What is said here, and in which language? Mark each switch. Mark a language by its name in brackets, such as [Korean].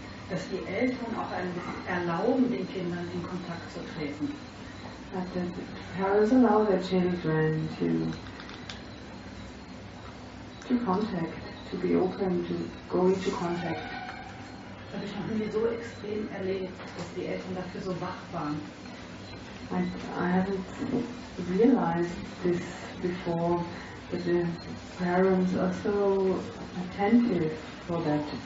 [German] Dass die Eltern auch erlauben, den Kindern in Kontakt zu treten. [English] That the parents allow their children to contact, to be open, to go into contact. [German] Das habe ich noch nie so extrem erlebt, dass die Eltern dafür so wach waren. [English] I haven't realized this before, that the parents are so attentive for that.